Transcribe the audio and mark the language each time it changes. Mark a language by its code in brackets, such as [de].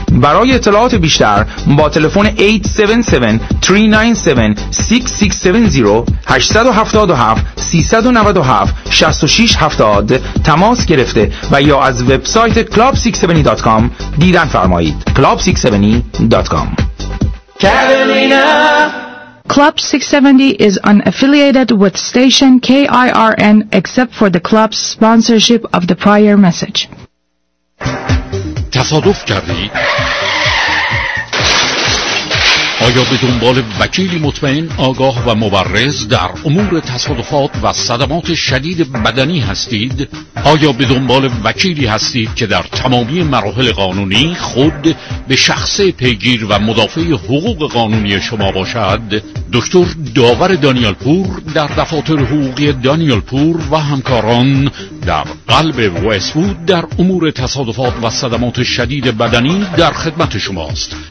[fa] برای اطلاعات بیشتر با تلفن 877-397-6670 877-397-6670 تماس گرفته و یا از وبسایت club670.com دیدن فرمایید. [en] club670.com. Carolina. Club 670 is unaffiliated with station KIRN except for the club's sponsorship of the prior message. [fa] تصادف کردی؟ آیا به دنبال وکیلی مطمئن، آگاه و مبرز در امور تصادفات و صدمات شدید بدنی هستید؟ آیا به دنبال وکیلی هستید که در تمامی مراحل قانونی خود به شخصه پیگیر و مدافع حقوق قانونی شما باشد؟ دکتر داور دانیالپور در دفاتر حقوقی دانیالپور و همکاران در قلب وست‌وود در امور تصادفات و صدمات شدید بدنی در خدمت شماست.